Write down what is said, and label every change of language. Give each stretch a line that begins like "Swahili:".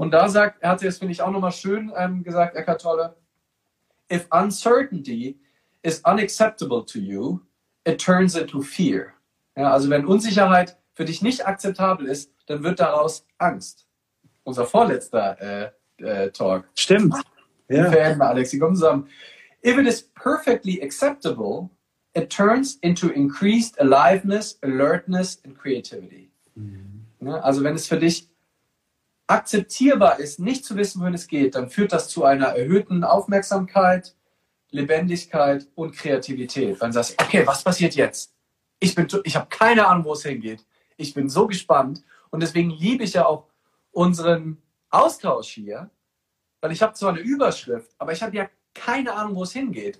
German: Und da sagt, er hat jetzt, finde ich, auch nochmal schön gesagt, Eckhart Tolle,
English: if uncertainty is unacceptable to you, it turns into fear.
German: Ja, also wenn Unsicherheit für dich nicht akzeptabel ist, dann wird daraus Angst. Unser vorletzter Talk. Stimmt. Ja. Wir verhelfen mal, Alex, die kommen zusammen.
English: If it is perfectly acceptable, it turns into increased aliveness, alertness and creativity.
German: Mhm. Ja, also wenn es für dich akzeptierbar ist, nicht zu wissen, wohin es geht, dann führt das zu einer erhöhten Aufmerksamkeit, Lebendigkeit und Kreativität. Wenn du sagst, okay, was passiert jetzt? Ich habe keine Ahnung, wo es hingeht. Ich bin so gespannt und deswegen liebe ich ja auch unseren Austausch hier, weil ich habe zwar eine Überschrift, aber ich habe ja keine Ahnung, wo es hingeht.